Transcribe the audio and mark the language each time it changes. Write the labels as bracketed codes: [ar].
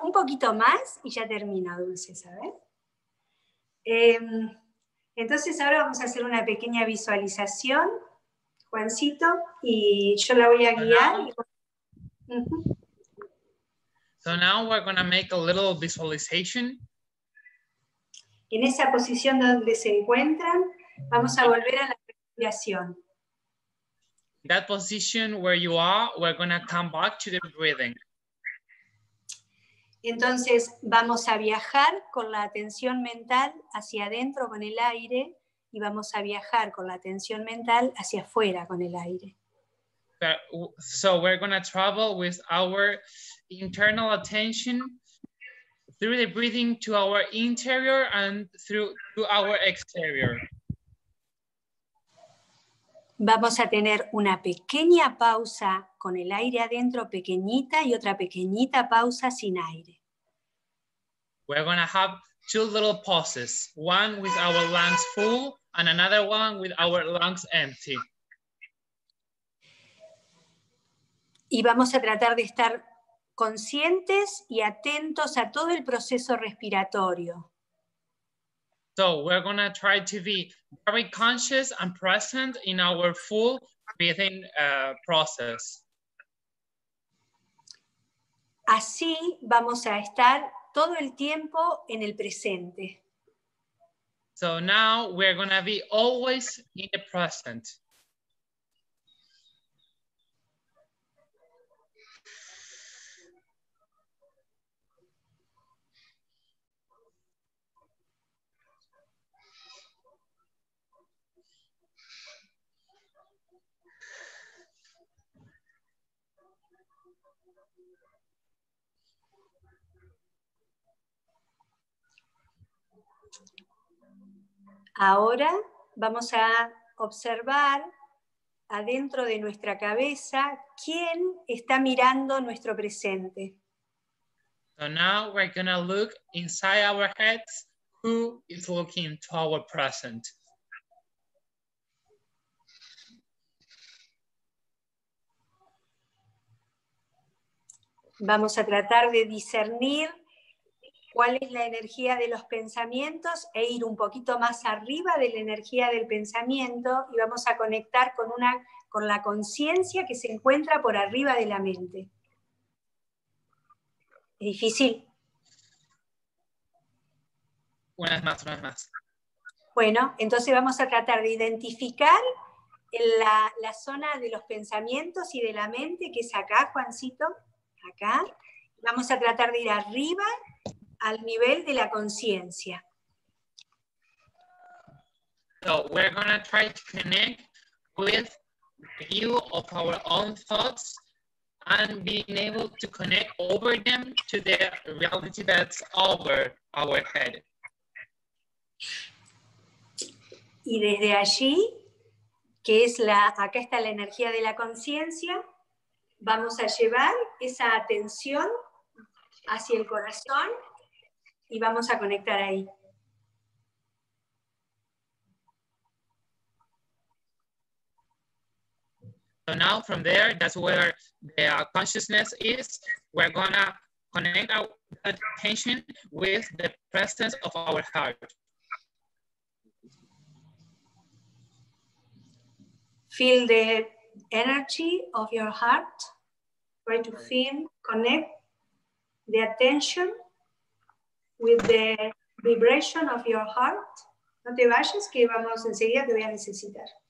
[es] Un poquito más y ya termino, Dulce, ¿sabes? Entonces ahora vamos a hacer una pequeña visualización, Juancito, y yo la voy a guiar. [en] So now we're going to make a little visualization. [es] En esa posición donde se encuentran, vamos a volver a la respiración. [en] In that position where you are, we're going to come back to the breathing. [es] Entonces, vamos a viajar con la atención mental hacia adentro con el aire y vamos a viajar con la atención mental hacia afuera con el aire. [en] So we're going to travel with our internal attention through the breathing to our interior and through to our exterior. [es] Vamos a tener una pequeña pausa con el aire adentro, pequeñita, y otra pequeñita pausa sin aire. [en] We're going to have two little pauses, one with our lungs full and another one with our lungs empty. [es] Y vamos a tratar de estar conscientes y atentos a todo el proceso respiratorio. [en] So, we're going to try to be very conscious and present in our full breathing process. [es] Así vamos a estar todo el tiempo en el presente. [en] So, now we're going to be always in the present. [es] Ahora vamos a observar adentro de nuestra cabeza quién está mirando nuestro presente. [en] So now we're going to look inside our heads who is looking to our present. [es] Vamos a tratar de discernir cuál es la energía de los pensamientos e ir un poquito más arriba de la energía del pensamiento y vamos a conectar con la conciencia que se encuentra por arriba de la mente. Es difícil. Una vez más. Bueno, entonces vamos a tratar de identificar la zona de los pensamientos y de la mente, que es acá, Juancito, acá. Vamos a tratar de ir arriba, al nivel de la conciencia. [en] So we're going to try to connect with the view of our own thoughts and being able to connect over them to the reality that's over our head. [es] Y desde allí, que es la, acá está la energía de la conciencia, vamos a llevar esa atención hacia el corazón y vamos a conectar ahí. [en] So now from there, that's where the consciousness is. We're gonna connect our attention with the presence of our heart. Feel the energy of your heart. Try to feel, connect the attention with the vibration of your heart. [es] No te vayas, que vamos enseguida, te voy a necesitar.